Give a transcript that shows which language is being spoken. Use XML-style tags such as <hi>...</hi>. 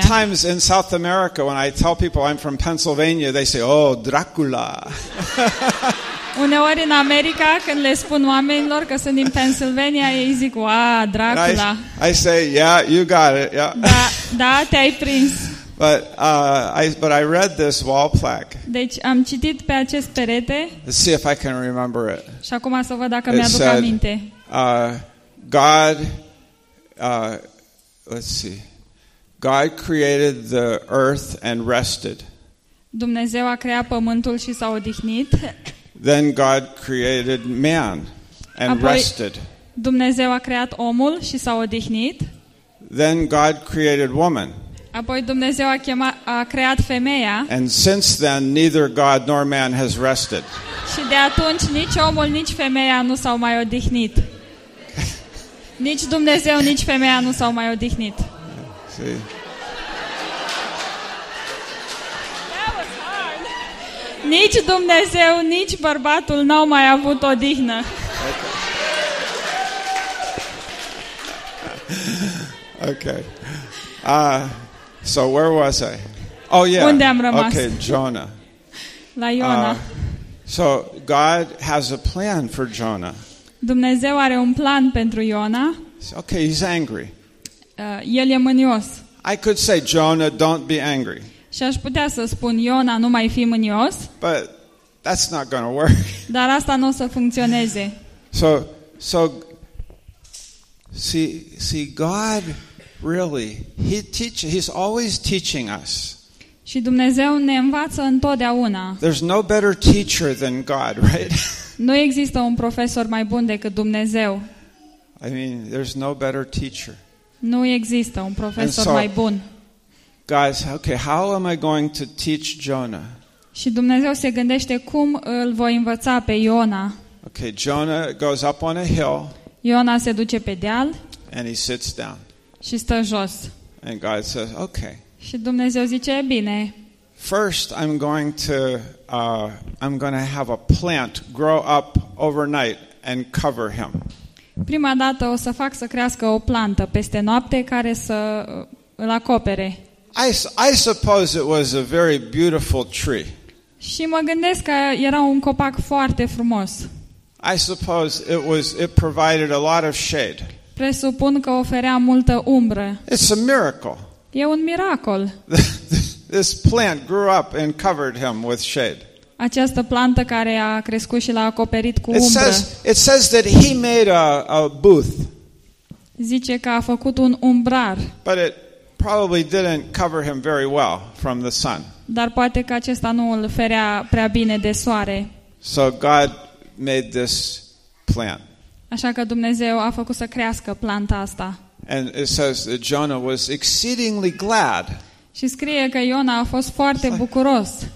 <en>Sometimes in South America when I tell people I'm from Pennsylvania, they say, "Oh, Dracula."</en> <ro>Uneori în America când le spun oamenilor că sunt din Pennsylvania, ei zic, "Wow, Dracula."</ro> <en>I say, "Yeah, you got it." Yeah.</en> <ro>Da, te-ai prins.</ro> <en>But I read this wall plaque.</en> <ro>Deci am citit pe acest perete.</ro> <en>Let's see if I can remember it.</en> <ro>Și acum să văd dacă mi-aduc aminte.</ro> <en>God created the earth and rested.</en> <ro>Dumnezeu a creat pământul și s-a odihnit.</ro> <en>Then God created man and rested.</en> <ro>Dumnezeu a creat omul și s-a odihnit.</ro> <en>Then God created woman.</en> <ro>Apoi Dumnezeu a creat femeia.</ro> <en>And since then neither God nor man has rested.</en> <ro>Și de atunci nici omul, nici femeia nu s-au mai odihnit. Nici Dumnezeu, nici femeia nu s-au mai odihnit.</ro> <en>See?</en> <ro>Nici Dumnezeu, nici bărbatul n-au mai avut odihnă.</ro> <en>Okay. So where was I? Oh yeah.</en> <ro>Unde am rămas?</ro> <en>Okay, Jonah.</en> <ro>La Iona.</ro> <en>So God has a plan for Jonah.</en> <ro>Dumnezeu are un plan pentru Iona.</ro> <en>Okay, he's angry.</en> <ro>El e mânios.</ro> <en>I could say, Jonah, don't be angry.</en> <ro>Și aș putea să spun, Iona, nu mai fi mânios.</ro> <en>But that's not gonna work.</en> <ro>Dar asta nu o să funcționeze.</ro> <en>So see God really he's always teaching us.</en> <ro>Și Dumnezeu ne învață întotdeauna.</ro> <en>There's no better teacher than God, right?</en> <ro>Nu există un profesor mai bun decât Dumnezeu.</ro> <en>I mean, there's no better teacher.</en> <ro>Nu există un profesor mai bun.</ro> <en>Guys, okay, how am I going to teach Jonah?</en> <ro>Și Dumnezeu se gândește cum îl voi învăța pe Iona.</ro> <en>Okay, Jonah goes up on a hill.</en> <ro>Iona se duce pe deal.</ro> <en>And he sits down.</en> <ro>Și stă jos.</ro> <en>And God says, okay.</en> <ro>Și Dumnezeu zice, bine.</ro> <en>First, I'm going to have a plant grow up overnight and cover him.</en> <ro>Prima dată o să fac să crească o plantă peste noapte care să îl acopere.</ro> <en>I suppose it was a very beautiful tree.</en> <ro>Și mă gândesc că era un copac foarte frumos.</ro> <en>I suppose it provided a lot of shade.</en> <ro>Presupun că oferea multă umbră.</ro> <en>It's a miracle.</en> <ro>E un miracol.</ro> <en>This plant grew up and covered him with shade.</en> <ro>Această plantă care a crescut și l-a acoperit cu umbră.</ro> <en>It says that he made a booth.</en> <ro>Zice că a făcut un umbrar.</ro> <en>But it probably didn't cover him very well from the sun.</en> <ro>Dar poate că acesta nu îl ferea prea bine de soare.</ro> <en>So God made this plant.</en> <ro>Așa că Dumnezeu a făcut să crească planta asta.</ro> <en>And it says that Jonah was exceedingly glad.</en> <ro>Și scrie că Iona a fost foarte bucuros.</ro>